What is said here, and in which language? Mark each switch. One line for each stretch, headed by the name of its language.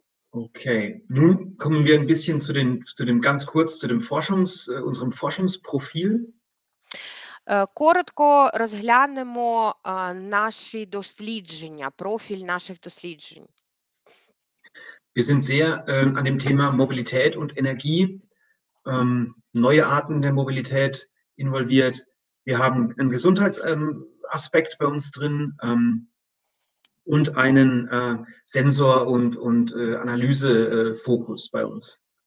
German: Okay, nun kommen wir ein bisschen unserem Forschungsprofil.
Ukrainian: Коротко розглянемо наші дослідження, профіль наших досліджень.
German: Wir sind sehr an dem Thema Mobilität und Energie, neue Arten der Mobilität involviert. Wir haben einen Gesundheitsaspekt bei uns drin und einen Sensor- und Analysefokus bei uns.